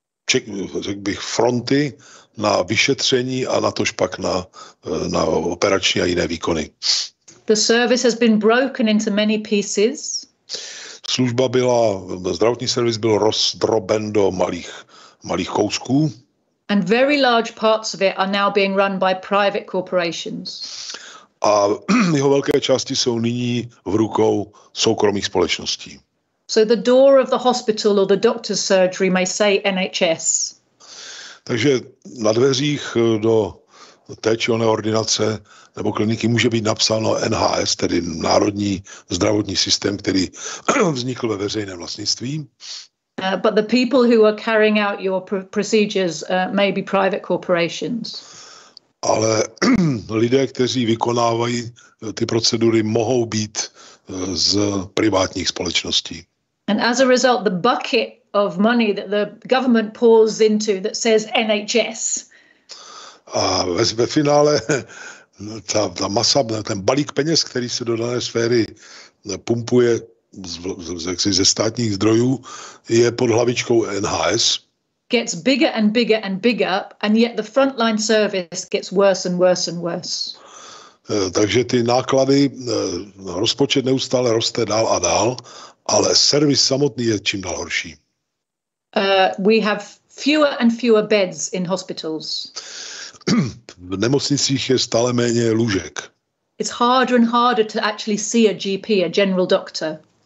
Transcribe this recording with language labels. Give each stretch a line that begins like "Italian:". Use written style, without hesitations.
Czech: řekl bych, fronty na vyšetření a natož pak na operační a jiné výkony.
English: The service has been broken into many pieces.
Czech: Služba byla, zdravotní servis byl rozdroben do malých kousků.
English: And very large parts of it are now being run by private corporations.
Czech: A jeho velké části jsou nyní v rukou soukromých společností.
English: So the door of the hospital or the doctor's surgery may say NHS.
Czech: Takže na dveřích do té či oné ordinace nebo kliniky může být napsáno NHS, tedy Národní zdravotní systém, který vznikl ve veřejném vlastnictví.
English: But the people who are carrying out your procedures may be private corporations.
Czech: Ale lidé, kteří vykonávají ty procedury, mohou být z privátních společností.
English: And as a result, the bucket of money that the government pours into that says NHS.
Czech: A ve finále ta masa, ten balík peněz, který se do dané sféry pumpuje ze státních zdrojů, je pod hlavičkou NHS.
English: Gets bigger and bigger and bigger, and yet the frontline service gets worse and worse and worse.
Czech: Takže ty náklady, rozpočet neustále roste dál a dál, ale servis samotný je čím dál horší.
English: We have fewer and fewer beds in hospitals.
Czech: V nemocnicích je stále méně lůžek.
English: It's harder and harder to actually see a GP, a general doctor.